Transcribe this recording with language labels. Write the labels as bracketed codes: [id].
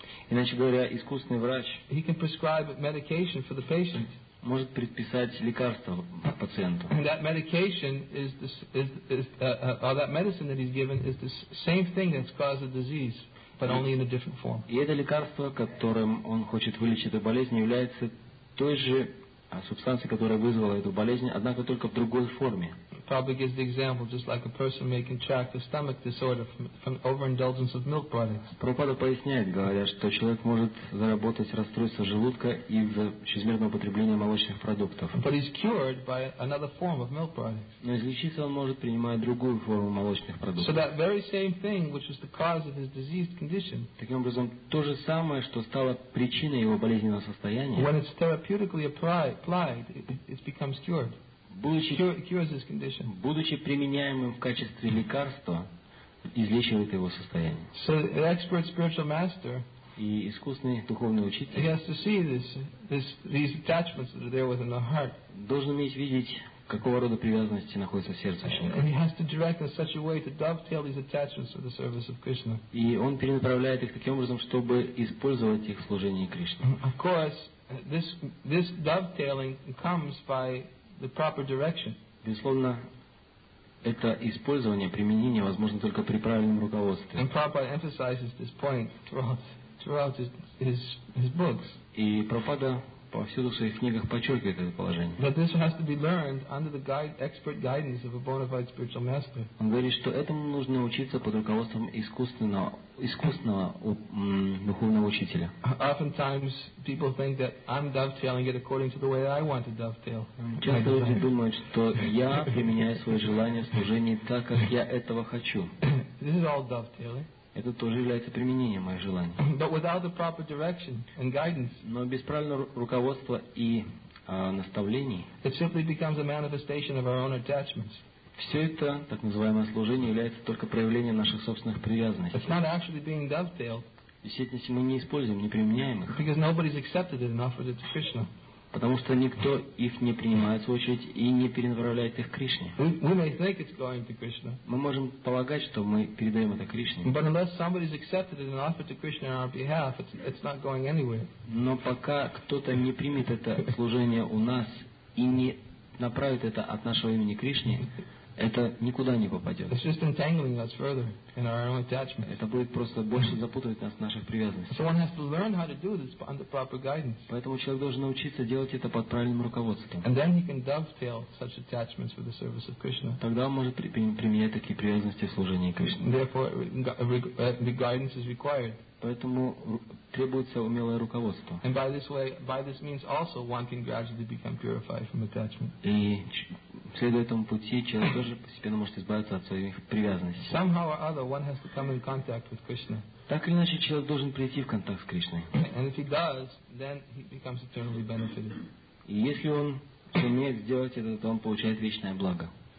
[ru] иначе говоря, искусный врач, [en] he can prescribe medication for the patient, [ru] может предписать лекарство пациенту. [en] And that medication that medicine that he's given is the same thing that's caused the disease, but only in a different form. [ru] И это лекарство, которым он хочет вылечить эту болезнь, является той же субстанция, которая вызвала эту болезнь, однако только в другой форме. [en] Probably gives the example just like a person may contract a stomach disorder from overindulgence of milk products. [ru] Прабхупада поясняет, говоря, что человек может заработать расстройство желудка из-за чрезмерного употребления молочных продуктов. [en] But he's cured by another form of milk products. [ru] Но излечиться он может, принимая другую форму молочных продуктов. [en] So that very same thing, which was the cause of his diseased condition. [ru] Таким образом, то же самое, что стало причиной его болезненного состояния. [en] When it's therapeutically applied, it becomes cured. [ru] Будучи применяемым в качестве лекарства, излечивает его состояние. [en] So the expert spiritual master, [ru] и искусный духовный учитель, [en] he has to see these attachments that are there within the heart, [ru] должен уметь видеть, какого рода привязанности находится в сердце человека. [en] And he has to direct in such a way to dovetail these attachments for the service of Krishna. [ru] И он перенаправляет их таким образом, чтобы использовать их в служении Кришне. [en] Of course, this dovetailing comes by the proper direction. [ru] Безусловно, это использование, применение возможно только при правильном руководстве. [en] And Prabhupada emphasizes this point throughout his books. [ru] И Прабхупада повсюду в своих книгах подчеркивает это положение. [en] That this has to be learned under the expert guidance of a bona fide spiritual master. [ru] Он говорит, что этому нужно учиться под руководством искусного духовного учителя. [en] Oftentimes people think that I'm dovetailing it according to the way I want to dovetail. [ru] Часто люди думают, что я применяю свои желания в служении так, как я этого хочу. [en] This is all dovetailing. [ru] Это тоже является применением моих желаний. [en] But without the proper direction and guidance, [ru] но без правильного руководства и наставлений, [en] it simply becomes a manifestation of our own attachments. [ru] Все это, так называемое служение, является только проявлением наших собственных привязанностей. [en] It's not actually being dovetailed. [ru] Действительно, мы не используем, не применяем их. [en] Because nobody's accepted it and offered it to Krishna. [ru] Потому что никто их не принимает, в свою очередь, и не перенаправляет их к Кришне. [en] We may think it's going to Krishna. [ru] Мы можем полагать, что мы передаем это Кришне. [en] But unless somebody's accepted it and offered to Krishna on our behalf, it's not going anywhere. [ru] Но пока кто-то не примет это служение у нас и не направит это от нашего имени Кришне, это никуда не попадет. [en] It's just entangling us further in our own attachment. [ru] Это будет просто больше запутывать нас в наших привязанностях. [en] So one has to learn how to do this under proper guidance. [ru] Поэтому человек должен научиться делать это под правильным руководством. [en] And then he can dovetail such attachments with the service of Krishna. [ru] Тогда он может применять такие привязанности в служении Кришне. [en] Therefore, the guidance is required. [ru] Поэтому требуется умелое руководство. [en] And by this way, by this means also one can gradually become purified from attachment. [ru] И следуя этому пути, человек тоже постепенно может избавиться от своих привязанностей. [en] Somehow or other, one has to come in contact with Krishna. [ru] Так или иначе, человек должен прийти в контакт с Кришной. [en] And if he does, then he becomes eternally benefited. [ru] И если он сумеет сделать это, то он получает вечное благо.